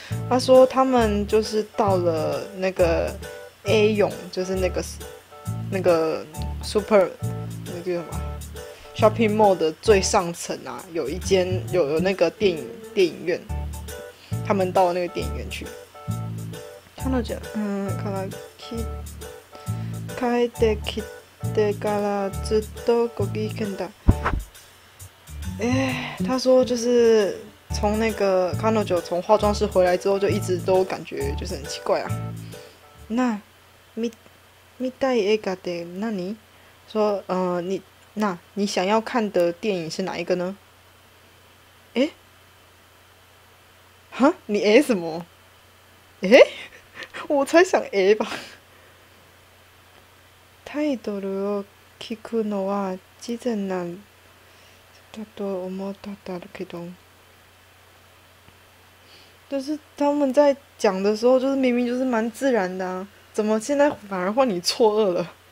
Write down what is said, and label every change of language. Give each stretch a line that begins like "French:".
Chinese: 他说他们就是到了那个 A 勇，就是那个 super 那个叫什么 shopping mall 的最上层啊，有一间有那个电影院，他们到了那个电影院去。
Japanese: 彼女から帰ってきてからずっとご機嫌だ。
Chinese: 他说就是从那个彼女从化妆室回来之后，就一直都感觉就是很奇怪啊。
Japanese: 那見たい映画って何？
Chinese: 说你想要看的电影是哪一个呢？你 A 什么？我才想 A 吧。
Japanese: タイトルを聞くのは自然なんだと思ったけど。
Chinese: 就是他们在讲的时候，就是明明就是蛮自然的啊，怎么现在反而换你错愕了？